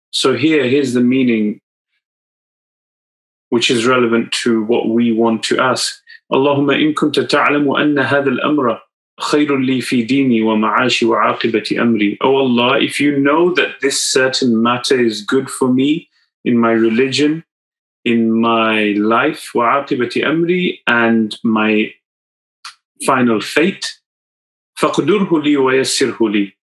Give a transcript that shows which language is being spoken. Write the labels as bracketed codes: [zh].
[en] So here's the meaning, which is relevant to what we want to ask. [ar] Allahumma إِن كُنْتَ تَعْلَمُ أَنَّ هَذَا الْأَمْرَ خَيْرٌ لِي فِي دِينِي وَمَعَاشِ وَعَاقِبَةِ أَمْرِي. [en] Oh Allah, if you know that this certain matter is good for me in my religion, in my life, [ar] وَعَاقِبَةِ أَمْرِي, [en] and my final fate, [ar] فَقْدُرْهُ لِي وَيَسِّرْهُ لِي.